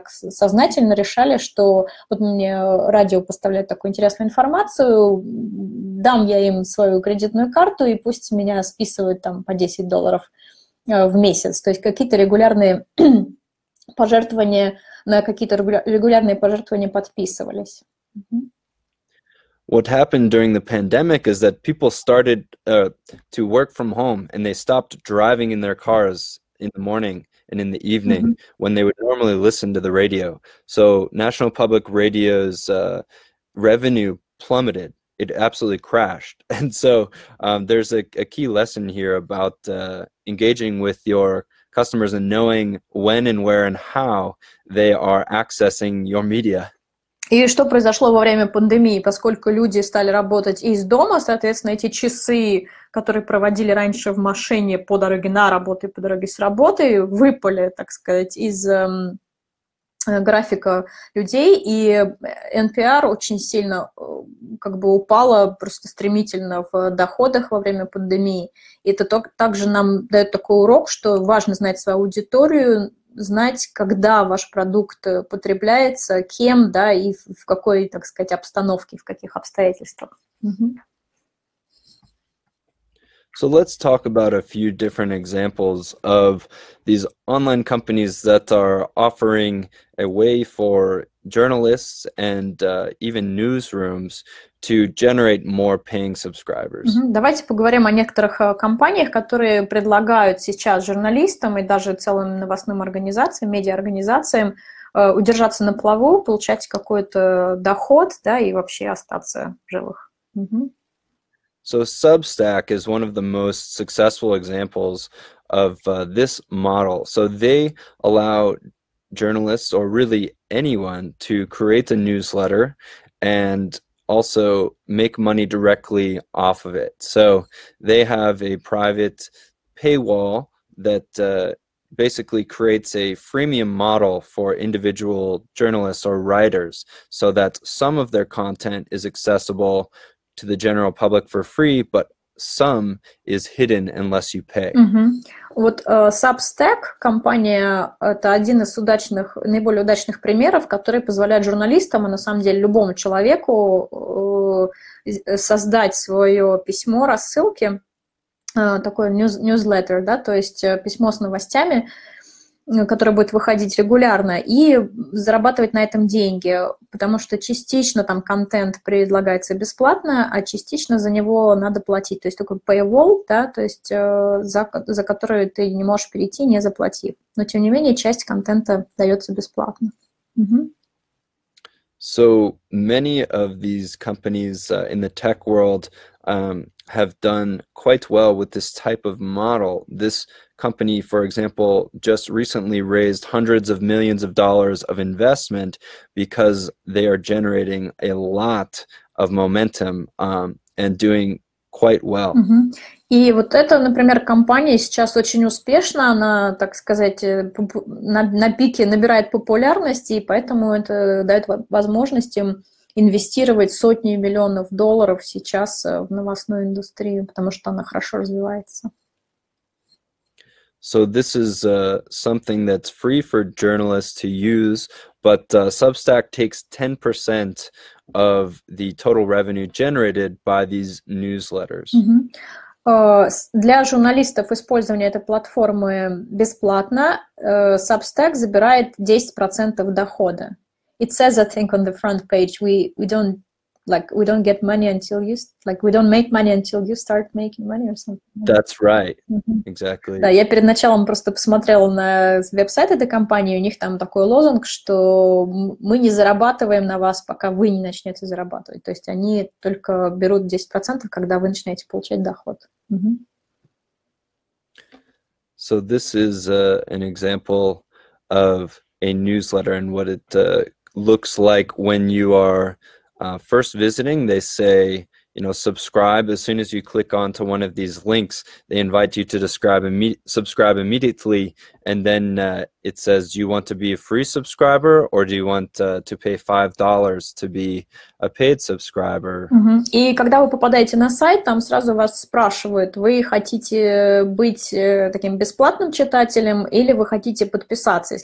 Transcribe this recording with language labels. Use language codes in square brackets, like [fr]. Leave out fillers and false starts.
[ru] сознательно решали, что вот мне радио поставляет такую интересную информацию, дам я им свою кредитную карту и пусть меня списывают там по $10 в месяц. То есть какие-то регулярные пожертвования, на какие-то регулярные пожертвования подписывались. [en] What happened during the pandemic is that people started to work from home and they stopped driving in their cars in the morning and in the evening mm-hmm. when they would normally listen to the radio. So National Public Radio's revenue plummeted. It absolutely crashed. And so there's a key lesson here about engaging with your customers and knowing when and where and how they are accessing your media. [ru] И что произошло во время пандемии? Поскольку люди стали работать из дома, соответственно, эти часы, которые проводили раньше в машине по дороге на работу и по дороге с работы, выпали, из графика людей, и NPR очень сильно упала просто стремительно в доходах во время пандемии. И это также нам дает такой урок, что важно знать свою аудиторию, знать, когда ваш продукт потребляется, кем, да, и в какой, обстановке, в каких обстоятельствах. Mm-hmm. [en] So let's talk about a few different examples of these online companies that are offering a way for journalists and even newsrooms to generate more paying subscribers. Mm-hmm. [ru] Давайте поговорим о некоторых компаниях, которые предлагают сейчас журналистам и даже целым новостным организациям, медиа-организациям удержаться на плаву, получать какой-то доход, да, и вообще остаться в живых. Mm-hmm. [en] So Substack is one of the most successful examples of this model. So they allow journalists, or really anyone, to create a newsletter and also make money directly off of it. So they have a private paywall that basically creates a freemium model for individual journalists or writers so that some of their content is accessible to the general public for free, but some is hidden unless you pay. Mm-hmm. [ru] Вот Substack, компания, это один из удачных, наиболее удачных примеров, который позволяет журналистам, а на самом деле любому человеку создать свое письмо рассылки, такой newsletter, да, то есть письмо с новостями, которое будет выходить регулярно, и зарабатывать на этом деньги, потому что частично там контент предлагается бесплатно, а частично за него надо платить. То есть такой paywall, да, то есть за который ты не можешь перейти, не заплатив. Но тем не менее, часть контента дается бесплатно. Угу. [en] So many of these companies in the tech world have done quite well with this type of model. This company, for example, just recently raised hundreds of millions of dollars of investment because they are generating a lot of momentum and doing quite well. Mm-hmm. [ru] И вот эта, например, компания сейчас очень успешна, она, так сказать, на пике набирает популярности, и поэтому это дает возможность им инвестировать сотни миллионов долларов сейчас в новостную индустрию, потому что она хорошо развивается. [en] So this is something that's free for journalists to use, but Substack takes 10% of the total revenue generated by these newsletters. Mm-hmm. [ru] Для журналистов использование этой платформы бесплатно. Substack забирает 10% дохода. [en] It says, I think, on the front page, we don't get money until you we don't make money until you start making money or something. That's right, mm-hmm. Exactly. [ru] Да, я перед началом просто посмотрела на веб-сайт этой компании, у них там такой лозунг, что мы не зарабатываем на вас, пока вы не начнете зарабатывать. То есть они только берут 10%, когда вы начинаете получать доход. Mm-hmm. [en] So this is an example of a newsletter and what it looks like when you are first visiting. They say, you know, subscribe. As soon as you click onto one of these links, they invite you to subscribe immediately, and then it says, do you want to be a free subscriber or do you want to pay $5 to be a paid subscriber? Mm-hmm. [ru] И когда вы попадаете на сайт, там сразу вас спрашивают, вы хотите быть таким бесплатным читателем или вы хотите подписаться?